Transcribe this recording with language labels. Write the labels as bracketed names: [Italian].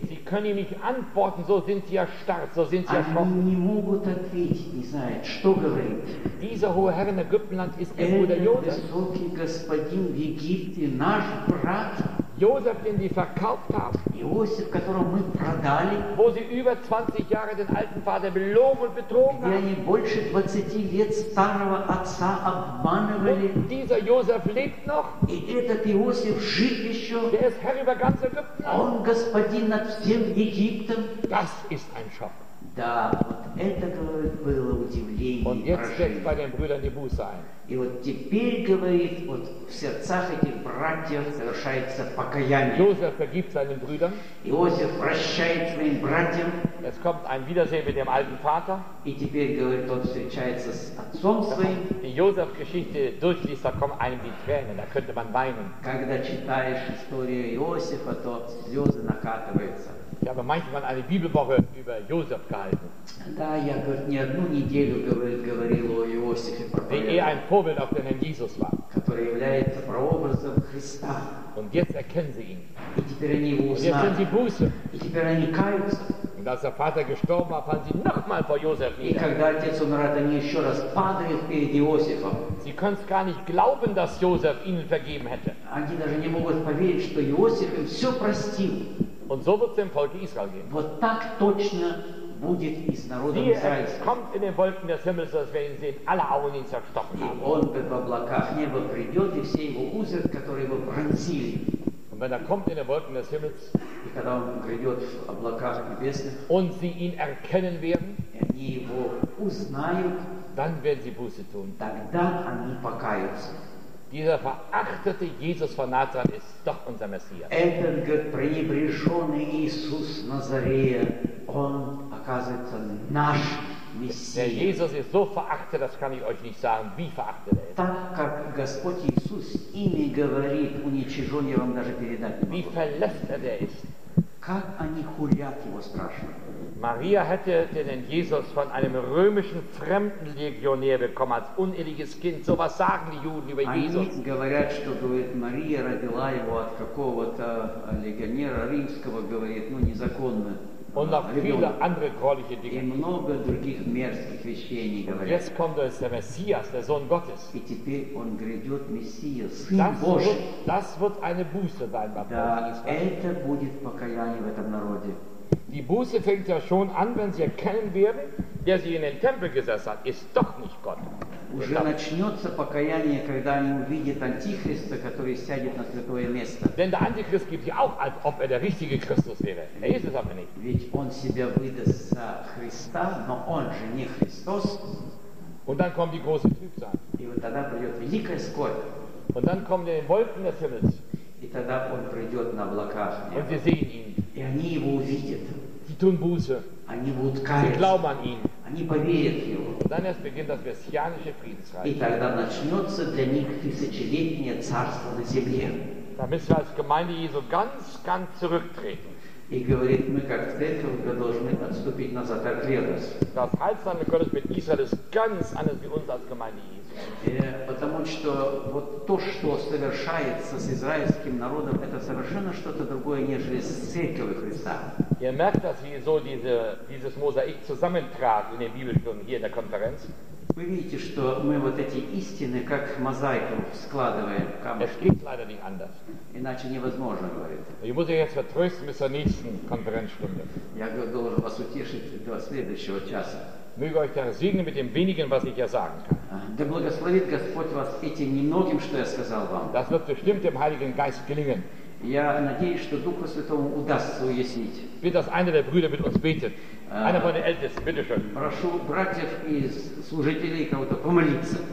[German] Sie können ihm nicht antworten, so sind sie erstarrt, so sind sie erschrocken. [Russian] Они не могут ответить, не знают, что говорит. [German] Dieser hohe Herr in Ägyptenland ist ihr Bruder Josef. [Russian] Этот высокий господин в Египте наш брат. [German] Josef, den sie verkauft haben. [Russian] Иосиф, которого мы продали. [German] Wo sie über 20 Jahre den alten Vater belogen und betrogen haben. [Russian] Где они больше 20 лет старого отца обманывали. [German] Und dieser Josef lebt noch. [Russian] И этот Иосиф жив еще. [German] Der ist Herr über ganz Ägypten. [Russian] Он господин над всем Египтом. [German] Das ist ein Schock. [Russian] Да, вот это, говорит, было удивление. [German] Und jetzt setzt bei den Brüdern die Buße ein. [Russian] И вот теперь, говорит, вот в сердцах этих братьев совершается покаяние. [German] Josef vergibt seinen Brüdern. [Russian] Иосиф прощает своим братьям. [German] Es kommt ein Wiedersehen mit dem alten Vater. [Russian] И теперь, говорит, он встречается с отцом своим. [German] Die Josef-Geschichte durchliest, da kommen einem die Tränen, da könnte man weinen. [Russian] Когда читаешь историю Иосифа, то слезы накатываются. [German] Ich habe manchmal eine Bibelwoche über Josef gehalten. [Russian] Da, я, говорит, не одну неделю говорил о Иосифе, [German] der eher ein Vorbild auf den Herrn Jesus war. [Russian] Который является прообразом Христа. [German] Und jetzt erkennen sie ihn. [Russian] И теперь они его узнали. [German] Und jetzt sind sie Buße. [Russian] И теперь они каются. [German] Und als der Vater gestorben war, fallen sie nochmal vor Josef nieder. [Russian] И когда отец умирает, они еще раз падают перед Иосифом. [German] Sie können es gar nicht glauben, dass Josef ihnen vergeben hätte. [Russian] Они даже не могут поверить, что Иосиф им все простил. [German] Und so wird es dem Volk Israel gehen. [Russian] Вот так точно будет и с народом Израиля. [German] Kommt in den Wolken des Himmels, dass wir ihn sehen, alle Augen ihn zerstochen haben. [Russian] И он в облаках неба придет, и все его узрят, которые его пронзили. [German] Und wenn er kommt in den Wolken des Himmels, [Russian] и когда он придет в облаках небесных, [German] und sie ihn erkennen werden, [Russian] они его узнают, [German] dann werden sie Buße tun. [Russian] Тогда они покаются. [German] Dieser verachtete Jesus von Nazareth ist doch unser Messias. [Russian] Этот пренебрежённый Иисус Назарея, он оказывается наш Мессия. [German] Der Jesus ist so verachtet, das kann ich euch nicht sagen, wie verachtet er ist. [Russian] Так как Господь Иисус ими говорит, уничижён, я вам даже передать не могу. [German] Wie verlästert er ist. [Russian] Как они хулят его страшно. [German] Maria hätte den Jesus von einem römischen Fremdenlegionär bekommen als uneheliches Kind. So was sagen die Juden über Jesus. [Russian] Они говорят, что говорит Мария родила его от какого-то легионера римского, говорит, ну незаконно. [German] Und noch viele andere gräuliche Dinge. [Russian] И много других мерзких вещей они говорят. [German] Jetzt kommt der Messias, der Sohn Gottes. [Russian] И теперь он грядет Мессия, Сын Божий. [German] Das wird eine Buße sein, Papa. [Russian] Да, это будет покаяние в этом народе. [German] Die Buße fängt ja schon an, wenn sie erkennen werden, der sie in den Tempel gesetzt hat, ist doch nicht Gott. [Russian] Уже начнется покаяние, когда они увидят Антихриста, который сядет на святое место. [German] Denn der Antichrist gibt sich auch, als ob er der richtige Christus wäre. Er ist es aber nicht. [Russian] Ведь он себя выдаст за Христа, но он же не Христос. [German] Und dann kommt die große Trübsal. [Russian] И вот тогда придет великая скорбь. [German] Und dann kommen die Wolken des Himmels. [Russian] И тогда он придет на облаках. [German] Und wir sehen ihn. [Russian] И они его увидят. [German] Sie tun Buße. [Russian] Они будут каяться. [German] Sie glauben an ihn. [Russian] Они поверят в него. [German] Und dann erst beginnt das messianische Friedensreich. [Russian] И тогда начнется для них тысячелетнее царство на земле. [German] Da müssen wir als Gemeinde Jesu ganz, ganz zurücktreten. [Russian] И говорит, мы как церковь, мы должны отступить назад от верности. [German] Das heißt dann, wir können es mit Israel ist ganz anders wie uns als Gemeinde Jesu. [Russian] Потому что вот то, что совершается с израильским народом, это совершенно что-то другое, нежели с церковью Христа. [German] Ihr merkt, dass wir so dieses Mosaik zusammentragen in den Bibelstunden hier in der Konferenz. [Russian] Вы видите, что мы вот эти истины как мозаику складываем в камушки. [German] Es geht leider nicht anders. [Russian] Иначе невозможно, говорит. [German] Ich muss euch jetzt vertrösten bis zur nächsten Konferenzstunde. [Russian] Я должен вас утешить до следующего часа. [German] Möge euch der Herr segnen mit dem Wenigen, was ich ja sagen kann. [Russian] Да благословит Господь вас этим немногим, что я сказал вам. [German] Das wird bestimmt dem Heiligen Geist gelingen. [Russian] Я надеюсь, что Духу Святому удастся уяснить. [German] Bitte, dass einer der Brüder mit uns betet. Einer von den Ältesten, bitteschön. [Russian] Прошу братьев и служителей кого-то помолиться.